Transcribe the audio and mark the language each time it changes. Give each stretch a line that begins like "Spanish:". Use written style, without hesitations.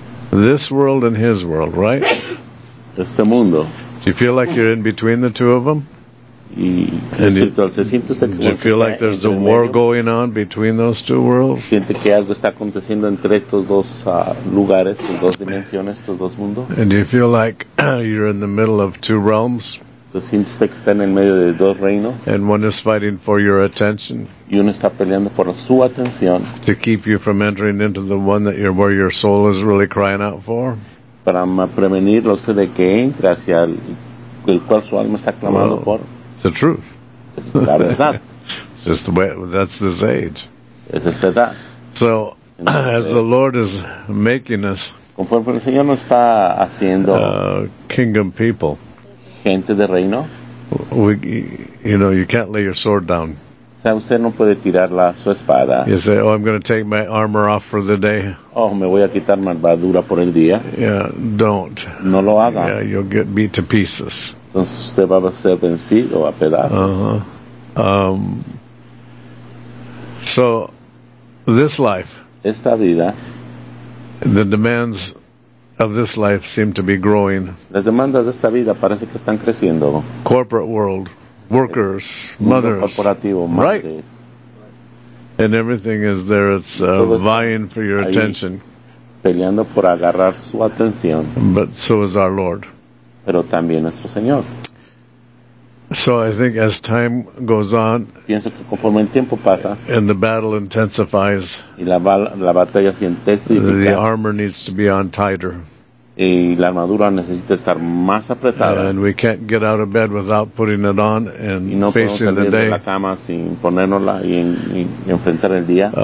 English: This world and his world, right?
Spanish: Este mundo.
English: Do you feel like you're in between the two of them? Do you feel like there's a war going on between those two worlds?
Spanish: Siente que algo está aconteciendo entre estos dos lugares, estas dos dimensiones, estos dos mundos.
English: And do you feel like you're in the middle of two realms? And one is fighting for your attention.
Spanish: Y uno está peleando por su atención.
English: To keep you from entering into the one that you're where your soul is really crying out for.
Spanish: Para prevenirlo, sé de que entre hacia el cual su alma está clamando por.
English: It's the truth.
Spanish: Es la verdad.
English: It's just the way, that's this age.
Spanish: Es esta edad.
English: So, as the Lord is making us,
Spanish: conforme el Señor nos está haciendo,
English: kingdom people,
Spanish: gente de reino,
English: we, you know, you can't lay your sword down.
Spanish: Usted no puede tirar la, su espada.
English: You say, oh, I'm going to take my armor off for the day.
Spanish: Oh, me voy a quitar mi armadura por el día.
English: Yeah, don't.
Spanish: No lo haga.
English: Yeah, you'll get beat to pieces.
Spanish: Entonces usted va a ser vencido a pedazos.
English: So, this life.
Spanish: Esta vida.
English: The demands of this life seem to be growing.
Spanish: Las demandas de esta vida parece que están creciendo.
English: Corporate world. Workers, mothers, right? And everything is there. It's vying for your attention.
Spanish: Peleando por agarrar su atención.
English: But so is our Lord.
Spanish: Pero también nuestro Señor.
English: So I think as time goes on,
Spanish: pienso que conforme el tiempo pasa,
English: and the battle intensifies,
Spanish: y la, la batalla se intensifica,
English: the armor needs to be on tighter.
Spanish: Y la armadura necesita estar más apretada.
English: And we can't get out of bed without putting it on and
Spanish: no
English: facing the day.
Spanish: De la cama sin ponérnosla y enfrentar el día.